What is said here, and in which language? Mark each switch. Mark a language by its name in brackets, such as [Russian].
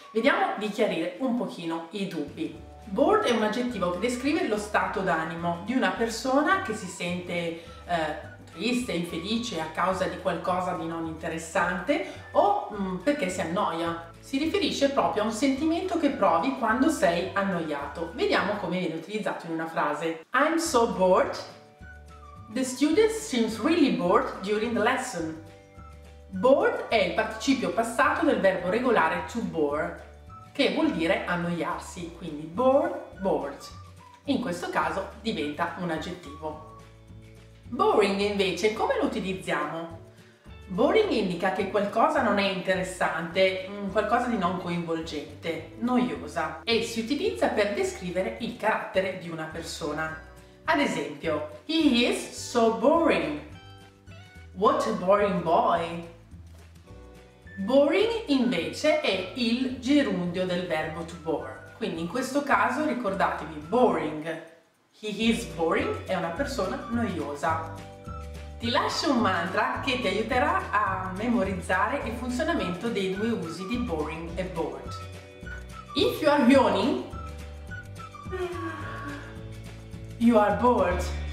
[Italian] Vediamo di chiarire un pochino i dubbi. Bored è un aggettivo che descrive lo stato d'animo di una persona che si sente triste, infelice a causa di qualcosa di non interessante o perché si annoia. Si riferisce proprio a un sentimento che provi quando sei annoiato. Vediamo come viene utilizzato in una frase. [English] I'm so bored. The student seems really bored during the lesson. [Italian] Bored è il participio passato del verbo regolare to bore, che vuol dire annoiarsi, quindi bored, bored. In questo caso diventa un aggettivo. Boring invece, come lo utilizziamo? Boring indica che qualcosa non è interessante, qualcosa di non coinvolgente, noiosa, e si utilizza per descrivere il carattere di una persona. Ad esempio, [English] he is so boring. What a boring boy. [Italian] Boring invece è il gerundio del verbo to bore. Quindi in questo caso ricordatevi, boring. [English] He is boring [Italian] è una persona noiosa. Ti lascio un mantra che ti aiuterà a memorizzare il funzionamento dei due usi di boring e bored. [English] If you are yawning, you are bored.